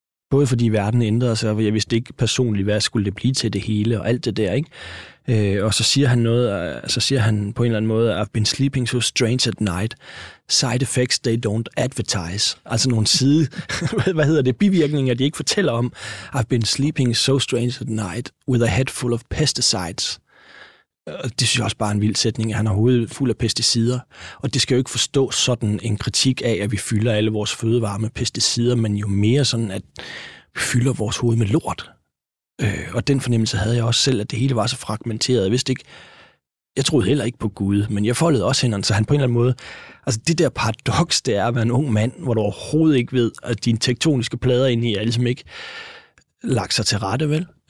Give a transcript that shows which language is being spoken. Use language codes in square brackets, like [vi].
[da] Både fordi verden ændrede sig, og jeg vidste ikke personligt, hvad skulle det blive til det hele, og alt det der, ikke? Og så siger han noget, på en eller anden måde, [en] I've been sleeping so strange at night. Side effects they don't advertise. [da] Altså nogle side, hvad hedder det, bivirkninger, de ikke fortæller om. [en] I've been sleeping so strange at night with a head full of pesticides. [da] Det synes jeg også bare er en vild sætning, at han har hovedet fuld af pesticider. Og det skal jo ikke forstå sådan en kritik af, at vi fylder alle vores fødevarer med pesticider, men jo mere sådan, at vi fylder vores hoved med lort. Og den fornemmelse havde jeg også selv, at det hele var så fragmenteret. Jeg vidste ikke, jeg troede heller ikke på Gud, men jeg foldede også hænderne, så han på en eller anden måde, altså det der paradoks, det er at være en ung mand, hvor du overhovedet ikke ved, at dine tektoniske plader inde i er ligesom ikke lagt sig til rette, vel?